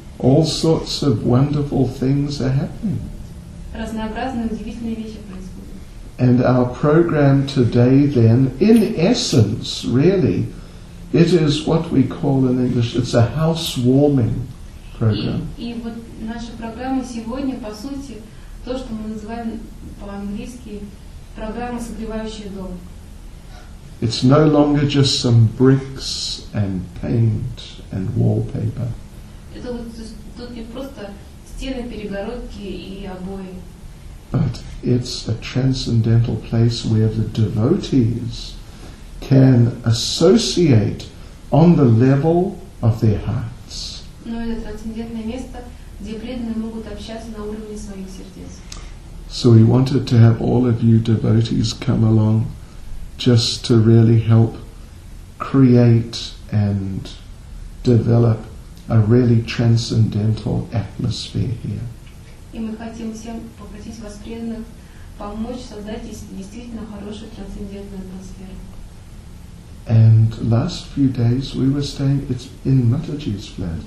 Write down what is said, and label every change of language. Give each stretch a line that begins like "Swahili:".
English: All sorts of wonderful things are happening.
Russian: Разнообразные, удивительные вещи происходят.
English: And our program today, then, in essence, really. It is what we call in English, it's a housewarming program.
Russian: И вот наша программа сегодня, по сути, то, что мы называем по-английски программа согревающая дом.
English: It's no longer just some bricks and paint and wallpaper.
Russian: Это вот тут не просто стены, перегородки и обои.
English: But it's a transcendental place where the devotees can associate on the level of their hearts.
Russian: Но это трансцендентное место, где преданные могут общаться на уровне своих сердец.
English: So we wanted to have all of you devotees come along just to really help create and develop a really transcendental atmosphere here.
Russian: И мы хотим всем попросить вас преданных помочь создать действительно хорошую трансцендентную атмосферу.
English: And last few days we were staying it's in Mataji's flat.